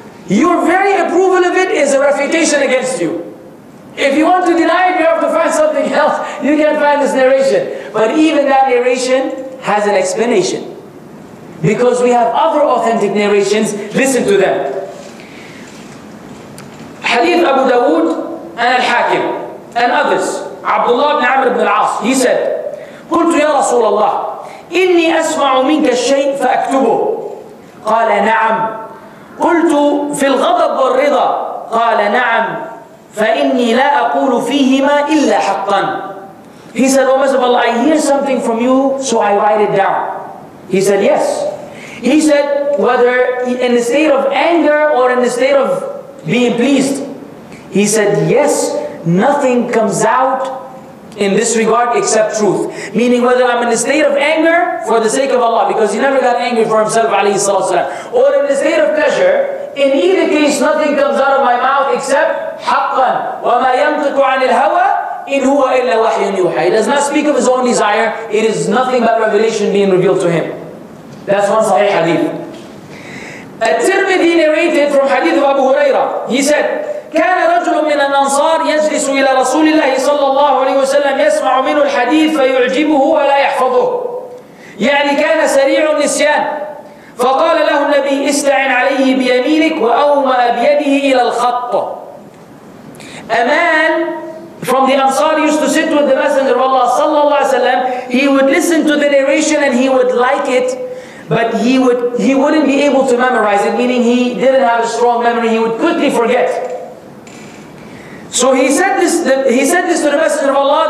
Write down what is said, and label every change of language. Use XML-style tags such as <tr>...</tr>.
<en>Your very approval of it is a refutation against you. If you want to deny it, you have to find something else. You can't find this narration. But even that narration has an explanation. Because we have other authentic narrations, listen to them. Hadith Abu Dawood and Al-Hakim and others, Abdullah ibn Amr ibn al-As, he said,</en> <ar>قُلْتُ يَا رَسُولَ اللَّهِ إِنِّي أَسْمَعُ مِنْكَ الشَّيْءٍ فَأَكْتُبُهُ قَالَ نَعَمْ قُلْتُ فِي الْغَضَبُ وَالْرِضَى قَالَ نَعَمْ فَإِنِّي لَا أَقُولُ فِيهِمَا إِلَّا حَقًّا.</ar> <en>He said, oh Messenger of Allah, I hear something from you, so I write it down. He said, yes. He said, whether in the state of anger or in the state of being pleased, he said, yes, nothing comes out in this regard except truth. Meaning whether I'm in the state of anger for the sake of Allah, because he never got angry for himself, alayhi salallahu alayhi wa sallam, or in the state of pleasure, in either case, nothing comes out of my mouth except</en> <ar>حَقًّا وَمَا يَنْطِقُ عَنِ الْهَوَى إِنْ هُوَ إِلَّا وَحْيٌ يُوحَى.</ar> <en>He does not speak of his own desire. It is nothing but revelation being revealed to him. That's one sahih hadith. At-Tirmidhi narrated from hadith of Abu Huraira. He said,</en> <ar>كان رجل من الأنصار يجلس إلى رسول الله صلى الله عليه وسلم يسمع منه الحديث فيعجبه ولا يحفظه. يعني كان سريع النسيان. فقال له النبي استعن عليه بيمينك وأومأ بيده إلى الخط.</ar> <en>A man from the Ansar used to sit with the Messenger of Allah صلى الله عليه وسلم. He would listen to the narration and he would like it, but he wouldn't be able to memorize it, meaning he didn't have a strong memory. He would quickly forget. So he said this to the Messenger of Allah.</en>